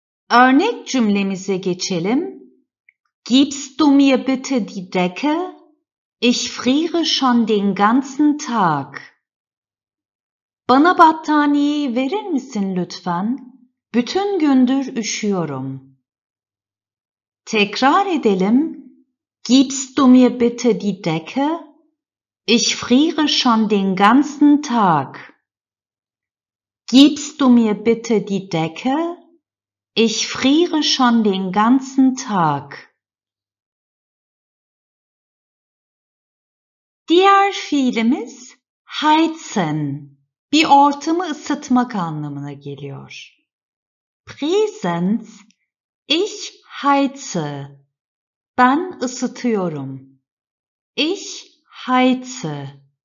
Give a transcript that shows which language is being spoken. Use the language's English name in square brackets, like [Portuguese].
[Turkish] Örnek cümlemize geçelim. [German] Gibst du mir bitte die Decke? Ich friere schon den ganzen Tag. [Turkish] Bana battaniyeyi verir misin lütfen? Bütün gündür üşüyorum. Tekrar edelim. [German] Gibst du mir bitte die Decke? Ich friere schon den ganzen Tag. Gibst du mir bitte die Decke? Ich friere schon den ganzen Tag. [Turkish] Diğer fiilimiz heizen, bir ortamı ısıtmak anlamına geliyor. [German] Präsens, ich heize. [Turkish] Ben ısıtıyorum. [German] Ich heize.